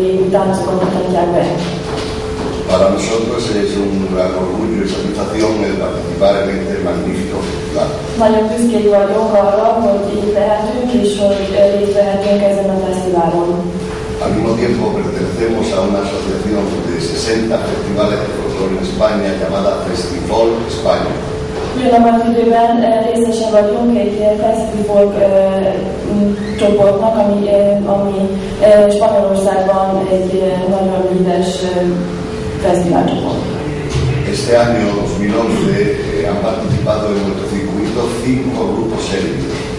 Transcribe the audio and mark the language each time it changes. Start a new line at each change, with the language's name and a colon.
Spanish: Para nosotros es un gran orgullo y satisfacción el participar en este magnífico festival.
Hungarian: Nagyon büszkék vagyunk arra, hogy itt lehetünk, és hogy részt vehetünk ezen a fesztiválon.
Spanish: Al mismo tiempo pertenecemos a una asociación de 60 festivales de folclore en España llamada Festifol España.
Hungarian: Ugyanabban időben részesen vagyunk egy fesztivál csoportnak, ami Spanyolországban egy nagyon híres fesztivál csoport.
Spanish: Este año 2011 han participado en nuestro circuito 5 grupos serbios.